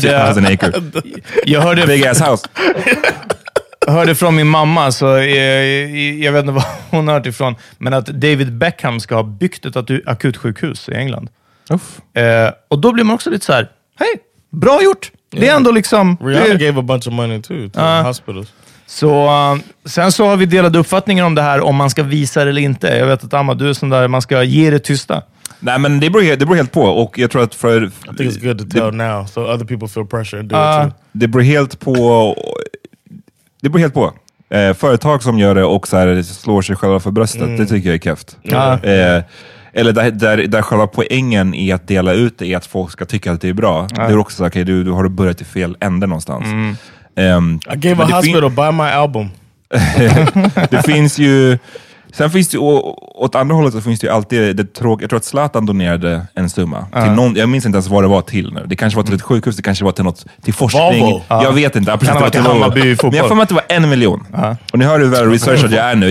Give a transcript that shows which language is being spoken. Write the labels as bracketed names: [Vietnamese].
[English] 50,000 acre. [Swedish] Jag hörde... [English] Big ass house. [Swedish] Jag hörde från min mamma, så jag vet inte vad hon har hört ifrån, men att David Beckham ska ha byggt ett akutsjukhus i England. Uff. Och då blir man också lite så här, hej, bra gjort. Yeah. Det är ändå liksom... [English] Rihanna [Swedish] det, [English] gave a bunch of money too, to hospitals. [Swedish] Så sen så har vi delat uppfattningar om det här, om man ska visa det eller inte. Jag vet att Amma, du är sån där, man ska ge det tysta. Nej, men det beror helt på. Och jag tror att för... [English] I think it's good to tell det, now, so other people feel pressure and do it too. [Swedish] Det beror helt på... Det beror helt på. Företag som gör det och så här, slår sig själva för bröstet, det tycker jag är käft. Eller där själva poängen i att dela ut det är att folk ska tycka att det är bra. Det är också så här, okay, du har börjat i fel ände någonstans. [English] I gave a hospital, buy my album. [Swedish] Det finns ju... Sen finns det, åt andra hållet så finns det ju alltid det tråkiga. Jag tror att Zlatan donerade en summa. Till någon, jag minns inte ens vad det var till nu. Det kanske var till ett sjukhus, det kanske var till något, till forskning. Volvo. Jag vet inte. Precis, det var till Hammarby fotboll. Men jag får med att det var 1 miljon. Och ni hör hur väl researchad jag är nu.